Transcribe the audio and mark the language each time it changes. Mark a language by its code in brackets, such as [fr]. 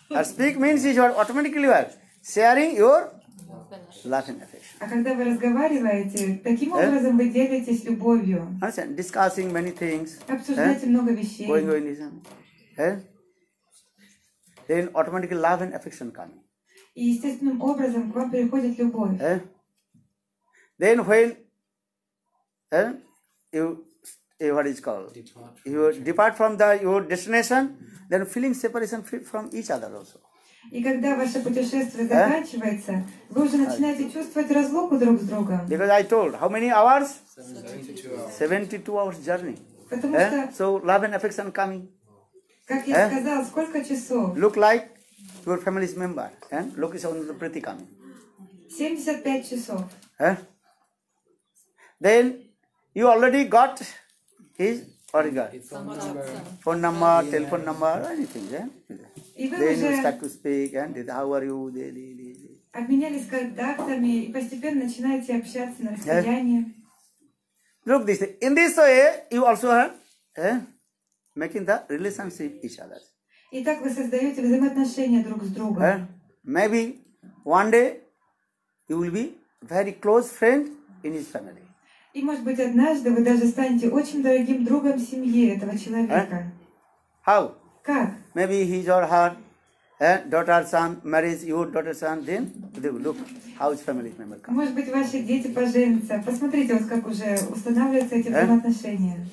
[en] Speak means you are automatically sharing your love and affection. [ru] А когда вы разговариваете, таким образом вы делитесь любовью. [en] Understand? Discussing many things. [ru] Обсуждаете много вещей. [en] Going in. Then automatically love and affection coming. [ru] И естественным образом к вам приходит любовь. [en] Then when you depart from the your destination. Then feeling separation from each other also. [ru] И когда ваше путешествие заканчивается, вы уже начинаете чувствовать разлуку друг с другом. [en] Because I told, how many hours? 72 hours journey. [ru] Потому что. [en] So love and affection coming. [ru] Как я сказал, сколько часов? [en] Look like your family's member. Look is on the pretty coming. [ru] 75 часов. [en] Then you already got his. Or you got phone number, telephone number, anything, Then you start to speak and how are you? [ru] Обменялись контактами и постепенно начинаете общаться на расстоянии. [en] Look this. In this way, you also are making the relationship each other. [ru] И так вы создаете взаимоотношения друг с другом. [en] Maybe one day you will be very close friend in his family. [ru] И, может быть, однажды вы даже станете очень дорогим другом семьи этого человека. [en] How? [ru] Как? [en] Maybe his or her daughter, son marries your daughter, son, then they will look how his family member comes. [ru] Может быть, ваши дети поженятся. Посмотрите, вот как уже устанавливаются эти взаимоотношения.